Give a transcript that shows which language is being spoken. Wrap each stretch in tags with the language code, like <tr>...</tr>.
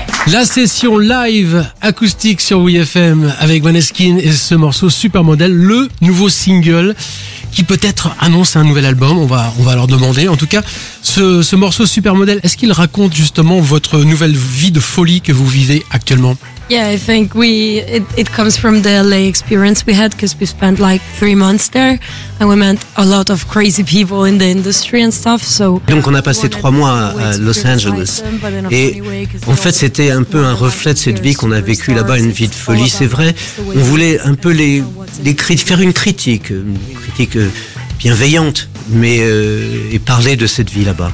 <fr>La session live acoustique sur WeFM avec Maneskin et ce morceau Supermodel, le nouveau single qui peut-être annonce un nouvel album. On va leur demander. En tout cas, ce morceau Supermodel, est-ce qu'il raconte justement votre nouvelle vie de folie que vous vivez actuellement?</fr> <en>Yeah, I think it comes from the LA experience we had, because we spent like 3 months there and we met a lot of crazy people in the industry and stuff. So</en> <fr>donc on a passé 3 mois à Los Angeles et en fait c'était un peu un reflet de cette vie qu'on a vécue là-bas, une vie de folie, c'est vrai. On voulait un peu faire une critique bienveillante, mais et parler de cette vie là-bas.</fr>